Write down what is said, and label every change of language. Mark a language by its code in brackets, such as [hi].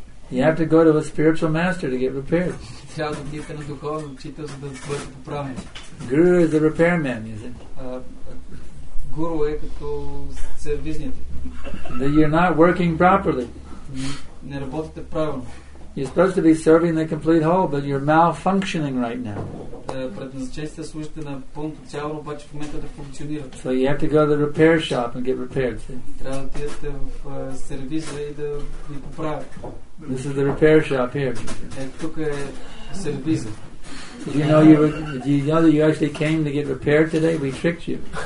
[en] You have to go to a spiritual master to get repaired. [bg] Трябва да отидете на духовен учител, за да бъдете поправени. [en] Guru is the repairman, is it? [bg] Гуру е като сервизният. [en] That you're not working properly. [bg] Не работите правилно. [en] You're supposed to be serving the complete whole, but you're malfunctioning right now. [bg] Предназначен сте да служите на пълното цяло, обаче в момента да функционирате. [en] So you have to go to the repair shop and get repaired, see? [bg] Трябва да отидете в сервиза и да ви поправят. [en] This is the repair shop here. [bg] Тук е сервиза. [en] Did you know you were? Did you know that you actually came to get repaired today? We tricked you.